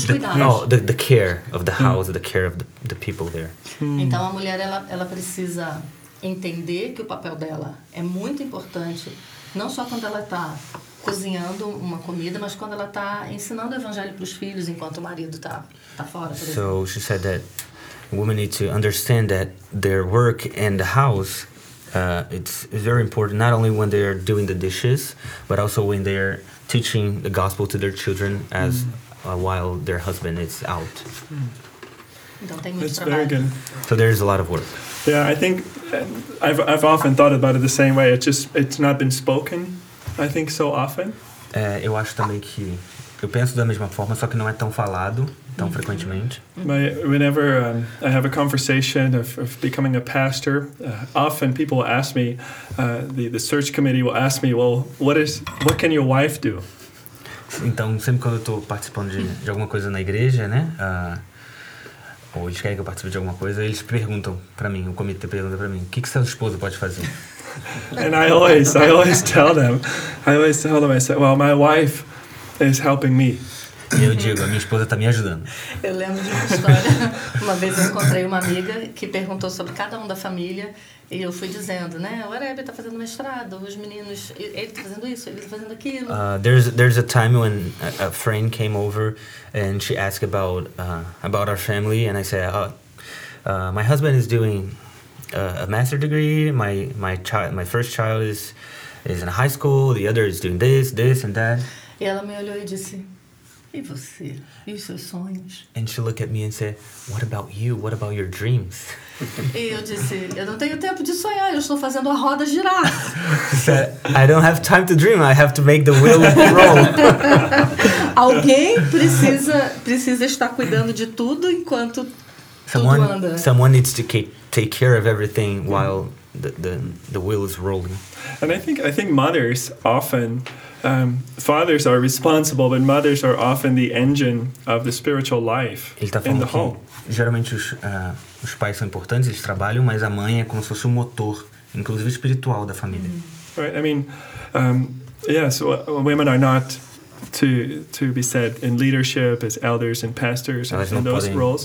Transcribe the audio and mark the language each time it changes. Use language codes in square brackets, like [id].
[en] The care of the house, the care of the people there. [pt] Então a mulher ela precisa entender que o papel dela é muito importante, não só quando ela está cozinhando uma comida, mas quando ela está ensinando o evangelho para os filhos enquanto o marido está fora. [en] So she said that women need to understand that their work and the house, it's very important, not only when they are doing the dishes, but also when they are teaching the gospel to their children as while their husband is out. That's very good. So there is a lot of work. Yeah, I think I've often thought about it the same way. It's not been spoken, I think, so often. [pt] Eu acho também que eu penso da mesma forma, só que não é tão falado tão frequentemente. [en] Whenever I have a conversation of becoming a pastor, often people will ask me, the search committee will ask me, well, what can your wife do? [pt] Então, sempre quando eu estou participando de alguma coisa na igreja, né? Ou eles querem que eu participe de alguma coisa, eles perguntam para mim, o comitê pergunta para mim, o que seu esposo pode fazer? [en] And I always tell them, I say, well, my wife is helping me. [pt] E eu digo, a minha esposa está me ajudando. Eu lembro de uma história, uma vez eu encontrei uma amiga que perguntou sobre cada um da família, e eu fui dizendo, né, o Areb está fazendo mestrado, os meninos, ele está fazendo isso, ele está fazendo aquilo. [en] There's a time when a friend came over, and she asked about our family, and I said, my husband is doing a master's degree, my first child is in high school, the other is doing this and that. [pt] E ela me olhou e disse, e você? E os seus sonhos? [en] And she looked at me and said, what about you? What about your dreams? [pt] E eu disse, eu não tenho tempo de sonhar, eu estou fazendo a roda girar. [en] She said, I don't have time to dream, I have to make the wheel roll. [pt] Alguém precisa estar cuidando de tudo enquanto [en] someone, [pt] tudo anda. [en] Someone needs to take care of everything while the wheel is rolling. And I think mothers often, fathers are responsible, but mothers are often the engine of the spiritual life in the home. [pt] Geralmente os pais são importantes, eles trabalham, mas a mãe é como se fosse o motor, inclusive espiritual, da família. [en] Right. I mean, yes, women are not to be said in leadership as elders and pastors and those roles.